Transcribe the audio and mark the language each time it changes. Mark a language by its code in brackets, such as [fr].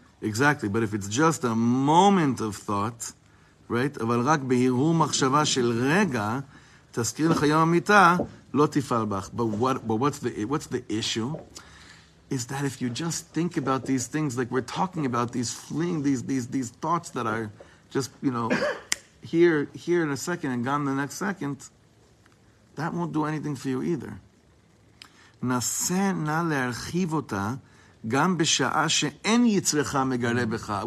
[en] Exactly, but if it's just a moment of thought, right? [he] אבל רק בהרהור מחשבה של רגע תזכיר לך יום המיטה, לא תפעל בך. [en] But what's the issue? Is that if you just think about these things, like we're talking about these fleeing, these thoughts that are just, you know, here in a second and gone the next second, that won't do anything for you either. [he] Nase na le'archiv ota gam b'sha'a she'en yitzrecha megare b'cha.